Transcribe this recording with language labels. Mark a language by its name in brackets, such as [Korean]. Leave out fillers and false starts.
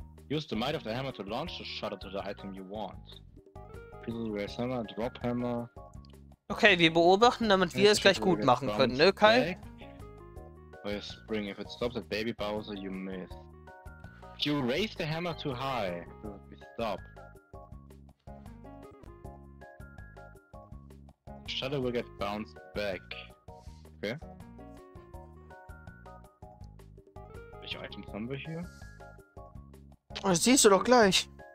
[English] Use the might of the hammer to launch the shutter to the item you want. Pizzle Hammer, Drop Hammer. [German] Okay, wir beobachten, damit wir es gleich gut machen können, ne, Kai? [English] Back. Or you spring. If it stops at Baby Bowser, you miss. If you raise the hammer too high, it will stop. Shadow will get bounced back. Okay. [German] Welche Items haben wir hier? Das siehst du doch gleich.